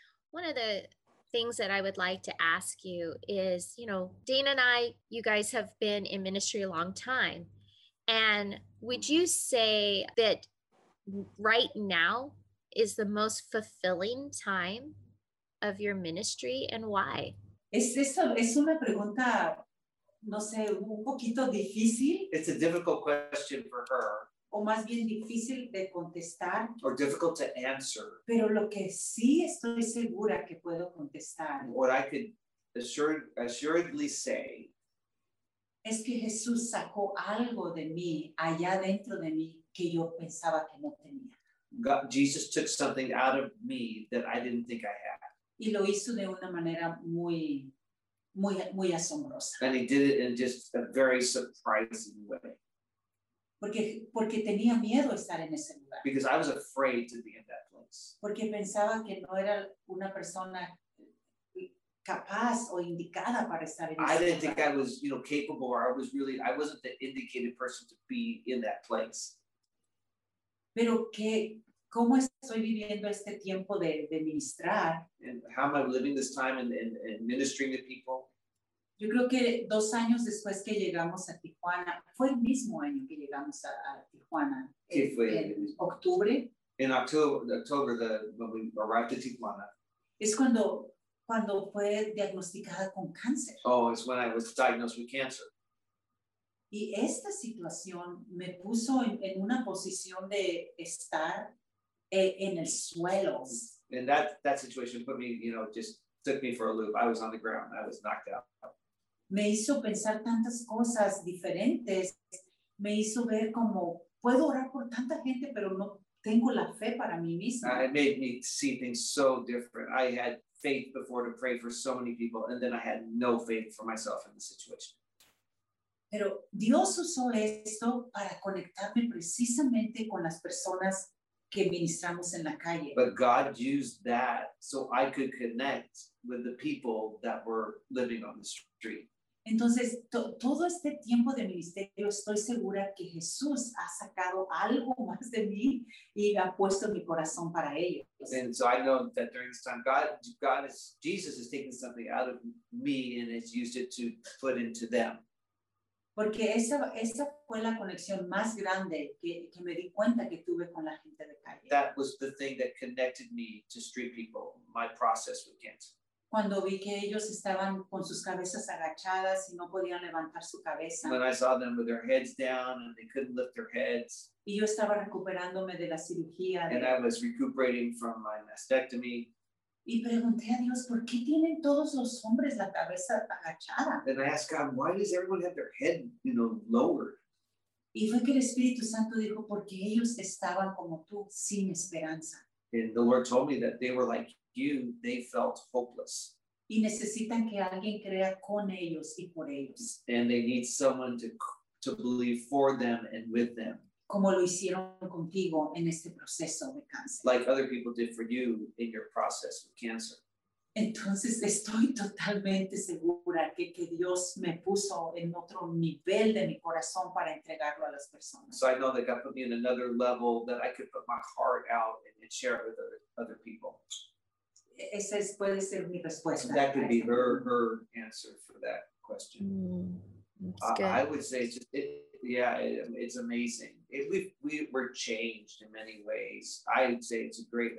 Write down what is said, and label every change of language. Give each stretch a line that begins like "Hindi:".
English: One of the things that I would like to ask you is, you know, Dana and I, you guys have been in ministry a long time. And would you say that right now is the most fulfilling time of your ministry and why?
Spanish: Es una pregunta, no sé, un poquito difícil.
English: It's a difficult question for her.
Spanish: O más bien difícil de contestar.
English: Or difficult to answer.
Spanish: Pero lo que sí estoy segura que puedo contestar.
English: What I could assuredly say.
Spanish: Es que Jesús sacó algo de mí, allá dentro de mí, que yo pensaba que no tenía.
English: God, Jesus took something out of me that I didn't think I had.
Spanish: Y lo hizo de una manera muy, muy, muy asombrosa.
English: And he did it in just a very surprising way.
Spanish: Porque tenía miedo estar en ese lugar.
English: Because I was afraid to be in that place.
Spanish: Porque pensaba que no era una persona capaz o indicada para estar en ese lugar.
English: I didn't think I was, you know, capable, or I wasn't the indicated person to be in that place.
Spanish: Pero que, ¿cómo estoy viviendo este tiempo de ministrar?
English: And how am I living this time and ministering to people?
Spanish: Yo creo que 2 años después que llegamos a Tijuana, fue el mismo año que llegamos a Tijuana, en octubre.
English: In October, when we arrived in Tijuana.
Spanish: Es cuando cuando fue diagnosticada con cáncer.
English: Oh, it's when I was diagnosed with cancer.
Spanish: Y esta situación me puso en una posición de estar en el suelo.
English: And that situation put me, you know, just took me for a loop. I was on the ground. I was knocked out.
Spanish: Me hizo pensar tantas cosas diferentes. Me hizo ver como puedo orar por tanta gente, pero no tengo la fe para mí misma.
English: It made me see things so different. I had faith before to pray for so many people, and then I had no faith for myself in the situation.
Spanish: Pero Dios usó esto para conectarme precisamente con las personas que ministramos en la calle.
English: But God used that so I could connect with the people that were living on the street.
Spanish: Entonces, todo este tiempo de ministerio, estoy segura que Jesús ha sacado algo más de mí y ha puesto mi corazón para ellos.
English: And so I know that during this time, Jesus has taken something out of me and has used it to put into them.
Spanish: Porque esa fue la conexión más grande que me di cuenta que tuve con la gente de calle.
English: That was the thing that connected me to street people, my process with cancer.
Spanish: Cuando vi que ellos estaban con sus cabezas agachadas y no podían levantar su cabeza.
English: When I saw them with their heads down and they couldn't lift their heads.
Spanish: Y yo estaba recuperándome de la cirugía.
English: And I was recuperating from my mastectomy.
Spanish: Y pregunté a Dios, ¿por qué tienen todos los hombres la cabeza agachada?
English: And I asked God, why does everyone have their head, you know, lowered?
Spanish: Y fue que el Espíritu Santo dijo, porque ellos estaban como tú, sin esperanza.
English: And the Lord told me that they were like you, they felt hopeless.
Spanish: Y necesitan que alguien crea con ellos y por ellos.
English: And they need someone to believe for them and with them.
Spanish: Como lo hicieron contigo en este proceso de cáncer.
English: Like other people did for you in your process with cancer.
Spanish: Entonces estoy totalmente segura que Dios me puso en otro nivel de mi corazón para entregarlo a las personas.
English: So I know that God put me in another level that I could put my heart out and share it with other people.
Spanish: Esa es, puede ser mi respuesta.
English: That could be her answer for that question. I would say it's just, it's amazing. We're changed in many ways. I would say it's great.